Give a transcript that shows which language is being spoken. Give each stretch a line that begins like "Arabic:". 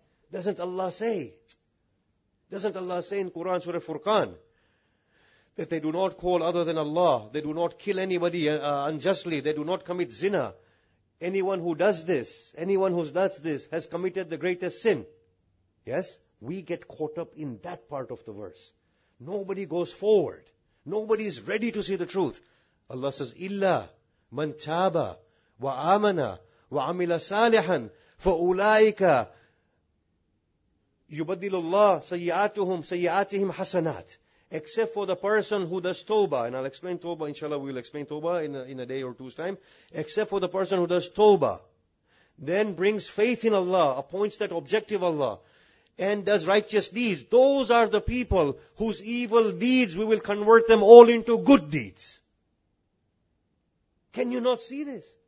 English: Doesn't Allah say? Doesn't Allah say in Quran Surah Furqan that they do not call other than Allah, they do not kill anybody unjustly, they do not commit zina. Anyone who does this, anyone who does this has committed the greatest sin. Yes? We get caught up in that part of the verse. Nobody goes forward. Nobody is ready to see the truth. Allah says,
Arabic: إِلَّا مَنْ تَابَ وَآمَنَ وَعَمِلَ صَالِحًا فَأُولَٰئِكَ يُبَدِّلُ اللَّهُ سَيِّئَاتُهُمْ سَيِّئَاتِهِمْ حَسَنَاتٍ.
English: Except for the person who does tawbah, and I'll explain tawbah, inshallah we'll explain tawbah in a day or two's time. Except for the person who does tawbah, then brings faith in Allah, appoints that objective Allah, and does righteous deeds. Those are the people whose evil deeds we will convert them all into good deeds. Can you not see this?